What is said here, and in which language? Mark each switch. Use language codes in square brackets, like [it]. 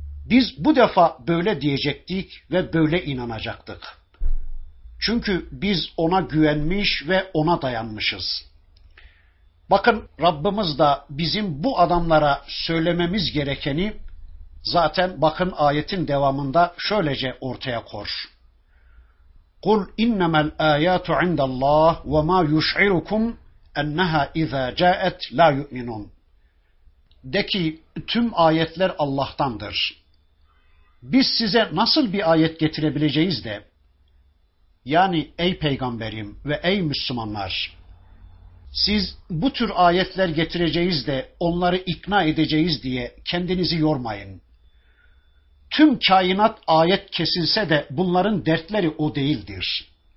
[tr] Biz bu defa böyle diyecektik ve böyle inanacaktık. Çünkü biz ona güvenmiş ve ona dayanmışız. Bakın Rabbimiz da bizim bu adamlara söylememiz gerekeni zaten bakın ayetin devamında şöylece ortaya koyar. [ar] قُلْ اِنَّمَا الْآيَاتُ عِنْدَ اللّٰهِ وَمَا يُشْعِرُكُمْ اَنَّهَا اِذَا جَاءَتْ لَا يُؤْمِنُونَ [tr] De ki tüm ayetler Allah'tandır. Biz size nasıl bir ayet getirebileceğiz de, yani ey peygamberim ve ey Müslümanlar, siz bu tür ayetler getireceğiz de onları ikna edeceğiz diye kendinizi yormayın. Tüm kainat ayet kesilse de bunların dertleri o değildir.